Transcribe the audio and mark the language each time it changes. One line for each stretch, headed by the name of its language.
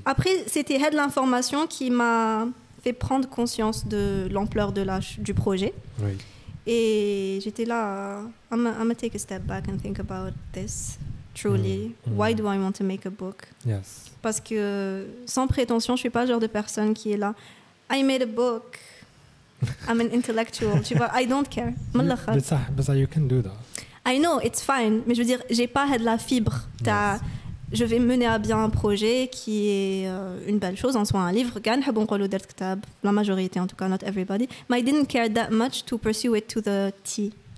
French: Après, c'était Head l'information qui m'a fait prendre conscience de l'ampleur du projet. Oui. Et j'étais là.
English: I'm going to take a step back and think about this. Truly, why do I want to make a book? Yes.
French: Parce que, sans prétention, je ne suis pas le genre de personne qui est là.
English: I made a book. I'm an intellectual.
French: Tu vois,
English: I don't care. But you can do that. I know, it's fine.
French: Mais je veux dire, je n'ai pas de la fibre.
English: Yes.
French: Je vais mener à bien un projet qui est une belle chose, en soi un livre. La majorité, en tout cas,
English: not everybody. But I didn't care that much to pursue it to the T.